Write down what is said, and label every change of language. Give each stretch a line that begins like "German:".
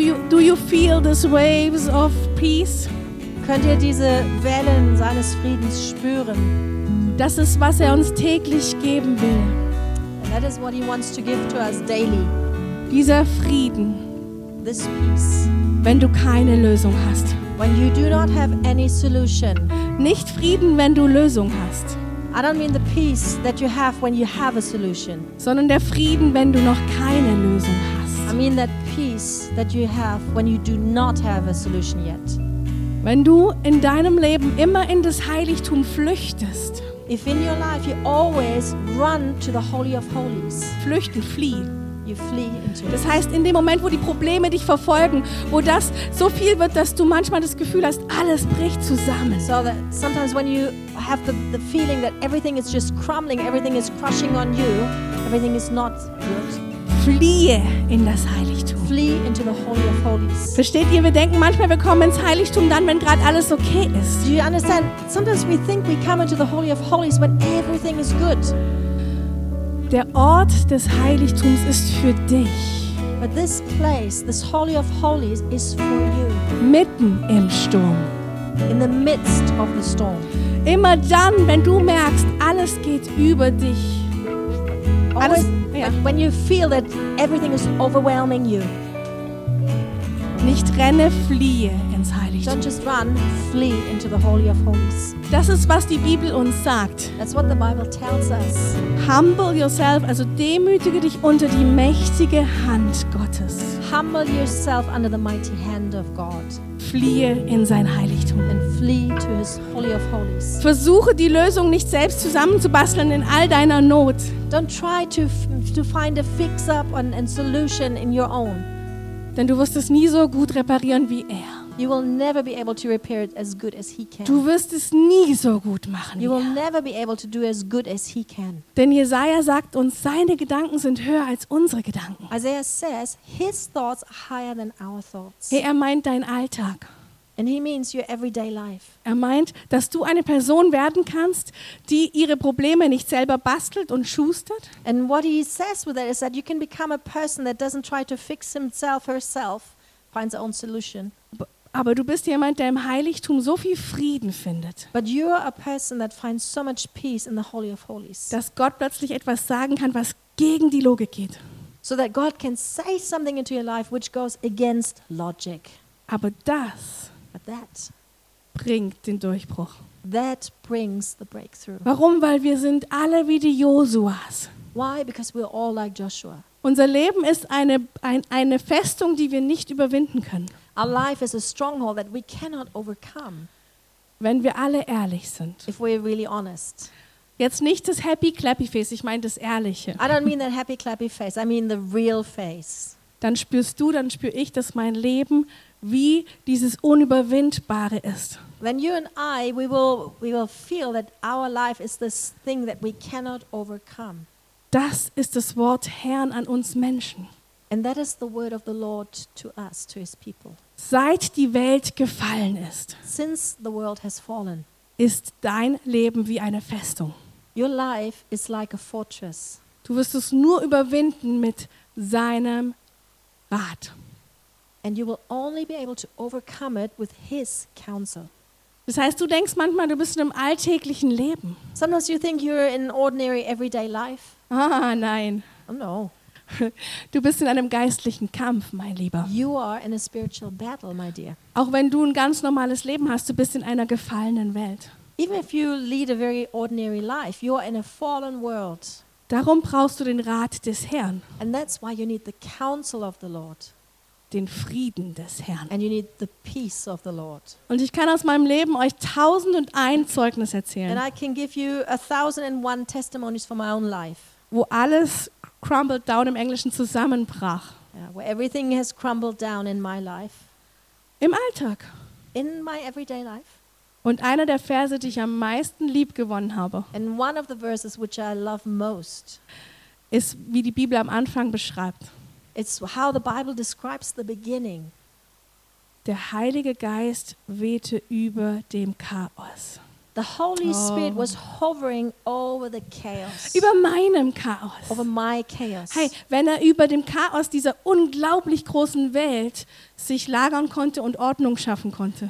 English: Do you feel these waves of peace?
German: Könnt ihr diese Wellen seines Friedens spüren? Das ist, was er uns täglich geben will.
English: And that is what he wants to give to us daily.
German: Dieser Frieden.
English: This peace.
German: Wenn du keine Lösung hast.
English: When you do not have any solution.
German: Nicht Frieden, wenn du Lösung hast.
English: I don't mean the peace that you have when you have a solution.
German: Sondern der Frieden, wenn du noch keine Lösung hast.
English: I mean that peace that you have when you do not have a solution yet.
German: Wenn du in deinem Leben immer in das Heiligtum flüchtest.
English: If in your life you always run to the Holy of Holies.
German: Flüchten, flieh.
English: You flee into it.
German: Das heißt, in dem Moment, wo die Probleme dich verfolgen, wo das so viel wird, dass du manchmal das Gefühl hast, alles bricht zusammen.
English: So that sometimes when you have the feeling that everything is just crumbling, everything is crushing on you, everything is not good.
German: Fliehe in das Heiligtum.
English: Flee into the Holy of Holies.
German: Versteht ihr? Wir denken manchmal, wir kommen ins Heiligtum dann, wenn gerade alles okay ist.
English: Do you understand? Sometimes we think we come into the Holy of Holies when everything is good.
German: Der Ort des Heiligtums ist für dich.
English: But this place, this Holy of Holies, is for you.
German: Mitten im Sturm.
English: In the midst of the storm.
German: Immer dann, wenn du merkst, alles geht über dich. Alles, ja.
English: When you feel that everything is overwhelming you.
German: Nicht renne, fliehe ins Heiligtum.
English: Don't just run, flee into the Holy of Holies.
German: Das ist, was die Bibel uns sagt.
English: That's what the Bible tells us. Humble yourself,
German: also demütige dich unter die mächtige Hand Gottes.
English: Humble yourself under the mighty hand of God.
German: Fliehe in sein Heiligtum.
English: And flee to his Holy of Holies.
German: Versuche die Lösung nicht selbst zusammenzubasteln in all deiner Not.
English: Don't try to find a fix-up and solution in your own.
German: Denn du wirst es nie so gut reparieren wie er.
English: You will never be able to repair it as good as he can.
German: Du wirst es nie so gut machen.
English: You will never be able to do as good as he can.
German: Denn Jesaja sagt uns, seine Gedanken sind höher als unsere Gedanken.
English: Isaiah says his thoughts are higher than our thoughts.
German: Hey, er meint deinen Alltag.
English: And he means your everyday life.
German: Er meint, dass du eine Person werden kannst, die ihre Probleme nicht selber bastelt und schustert.
English: And what he says with that is that you can become a person that doesn't try to fix himself herself, finds her own solution.
German: Aber du bist jemand, der im Heiligtum so viel Frieden findet.
English: But you're a person that finds so much peace in the Holy of Holies.
German: Dass Gott plötzlich etwas sagen kann, was gegen die Logik geht.
English: So that God can say something into your life which goes against logic.
German: Aber das
English: But that
German: bringt den Durchbruch.
English: That brings the breakthrough.
German: Warum? Weil wir sind alle wie die Josuas.
English: Why? Because we're all like Joshua.
German: Unser Leben ist eine Festung, die wir nicht überwinden können.
English: Our life is a stronghold that we cannot overcome.
German: Wenn wir alle ehrlich sind.
English: If we're really honest.
German: Jetzt nicht das
English: happy clappy face,
German: ich meine das ehrliche.
English: I don't mean that happy clappy face, I mean the real face.
German: Dann spürst du, dann spüre ich, dass mein Leben wie dieses Unüberwindbare ist.
English: Then you and I, we will feel that our life is this thing that we cannot overcome.
German: Das ist das Wort Herrn an uns Menschen.
English: And that is the word of the Lord to us, to his people.
German: Seit die Welt gefallen ist,
English: since the world has fallen,
German: ist dein Leben wie eine Festung.
English: Your life is like a fortress.
German: Du wirst es nur überwinden mit seinem Rat.
English: And you will only be able to overcome it with his counsel.
German: Das heißt, du denkst manchmal, du bist in einem alltäglichen Leben.
English: Sometimes you think you're in ordinary everyday life.
German: Ah, nein.
English: Oh, no.
German: Du bist in einem geistlichen Kampf, mein Lieber.
English: You are in a spiritual battle, my dear.
German: Auch wenn du ein ganz normales Leben hast, du bist in einer gefallenen Welt.
English: Even if you lead a very ordinary life, you are in a fallen world.
German: Darum brauchst du den Rat des Herrn.
English: And that's why you need the counsel of the Lord.
German: Den Frieden des Herrn.
English: And you need the peace of the Lord.
German: Und ich kann aus meinem Leben euch 1001 Zeugnis erzählen.
English: And I can give you 1001 testimonies from my own life.
German: Wo alles
English: crumbled down
German: im Englischen zusammenbrach.
English: Yeah, where everything has crumbled down in my life.
German: Im Alltag.
English: In my everyday life.
German: Und einer der Verse, die ich am meisten lieb gewonnen habe.
English: And one of the verses which I love most.
German: Ist, wie die Bibel am Anfang beschreibt.
English: It's how the Bible describes the beginning.
German: Der Heilige Geist wehte über dem Chaos.
English: The Holy Spirit was hovering over the chaos.
German: Über meinem Chaos.
English: Over my chaos.
German: Hey, wenn er über dem Chaos dieser unglaublich großen Welt sich lagern konnte und Ordnung schaffen konnte.